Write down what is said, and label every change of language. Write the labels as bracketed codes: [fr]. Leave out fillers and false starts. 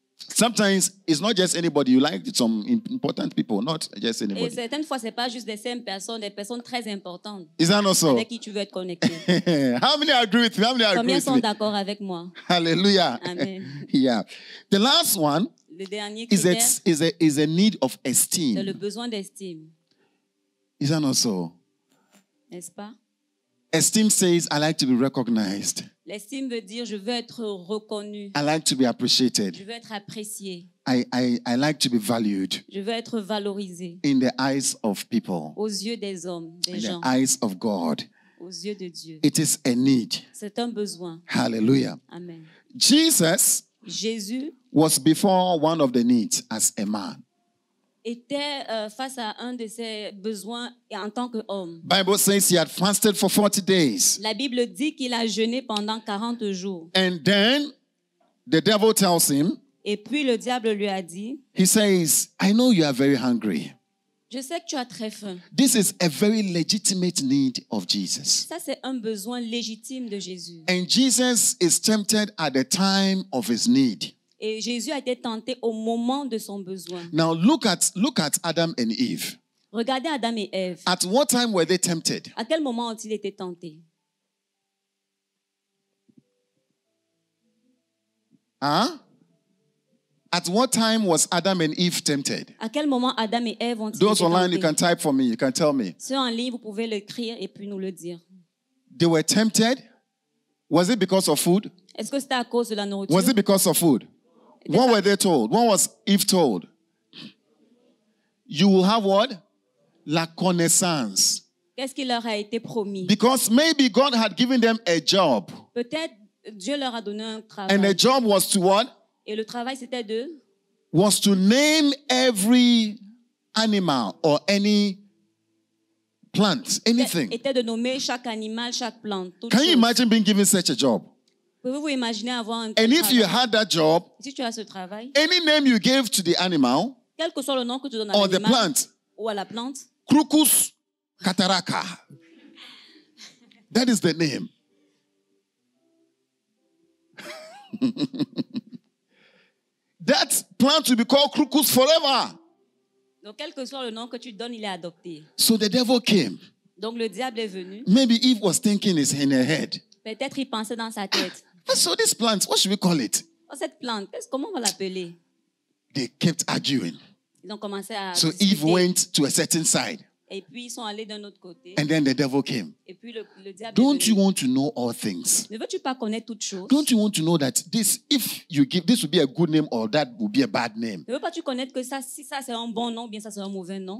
[en] Sometimes it's not just anybody you like, it's some important people, not just anybody. [fr] Et certaines fois, c'est pas juste des simples personnes, des personnes très importantes. [en] Is that not so? [fr] Avec qui tu veux être connecté. [en] How many agree with me? How many agree [fr] Combien [en] with [fr] sont [en] me? [fr] D'accord avec moi? [en] Hallelujah. Amen. Yeah. The last one [fr] le dernier [en] is a need of esteem. [fr] C'est le besoin d'estime. [en] Is that not so? [fr] N'est-ce pas? [en] Esteem says, I like to be recognized. [fr] L'estime veut dire, je veux être reconnu. [en] I like to be appreciated. [fr] Je veux être apprécié. [en] I like to be valued. [fr] Je veux être valorisé. [en] In the eyes of people. [fr] Aux yeux des hommes, des [en] In [fr] gens. [en] The eyes of God. [fr] Aux yeux de Dieu. [en] It is a need. [fr] C'est un besoin. [en] Hallelujah. Amen. Jésus was before one of the needs as a man. [fr] Était face à un de ses besoins en tant qu'homme. [en] Bible says he had fasted for 40 days. [fr] La Bible dit qu'il a jeûné pendant 40 jours. [en] And then the devil tells him. [fr] Et puis le diable lui a dit. [en] He says, I know you are very hungry. [fr] Je sais que tu as très faim. [en] This is a very legitimate need of Jesus. [fr] Ça, c'est un besoin légitime de Jésus. [en] And Jesus is tempted at the time of his need. [fr] Et Jésus a été tenté au moment de son besoin. [en] Now look at Adam and Eve. [fr] Regardez Adam et Eve. [en] At what time were they tempted? [fr] À quel moment ont-ils été tentés? Hein? [en] At what time was Adam and Eve tempted? [fr] À quel moment Adam et Eve ont-ils [en] Those Those online, you can type for me. You can tell me. [fr] Ceux en ligne, vous pouvez l'écrire et puis nous le dire. [en] They were tempted. Was it because of food? [fr] Est-ce que c'était à cause de la nourriture? [en] Was it because of food? What were they told? What was Eve told? You will have what? [fr] La connaissance. Qu'est-ce qui leur a été promis? [en] Because maybe God had given them a job. [fr] Peut-être Dieu leur a donné un travail. [en] And the job was to what? [fr] Et le travail c'était de? [en] Was to name every animal or any plant, anything. [fr] Était de nommer chaque animal, chaque plante. [en] Can chose. You imagine being given such a job? [fr] Pouvez-vous imaginer avoir un [en] And if you had that job, [fr] si tu as ce travail, [en] any name you gave to the animal, [fr] quel que soit le nom que tu donnes à [en] or [fr] l'animal, [en] the plant, [fr] ou à la plante, [en] Crocus cataraca, that is the name. That plant will be called Crocus forever. [fr] Donc, quel que soit le nom que tu donnes, il est adopté. [en] So the devil came. [fr] Donc le diable est venu. [en] Maybe Eve was thinking it's in her head. [fr] Peut-être il pensait dans sa tête. [en] So this plant, what should we call it? [fr] Oh, cette plante, comment on va l'appeler? [en] They kept arguing. [fr] Ils ont commencé à [en] so [fr] discuter. [en] Eve went to a certain side. [fr] Et puis ils sont allés d'un autre côté. [en] And then the devil came. [fr] Et puis le diable [en] Don't you want to know all things? [fr] Ne veux-tu pas connaître toutes choses? [en] Don't you want to know that this, if you give, this would be a good name or that would be a bad name? [fr] Ne veux-tu connaître que ça, si ça c'est un bon nom ou bien ça c'est un mauvais nom?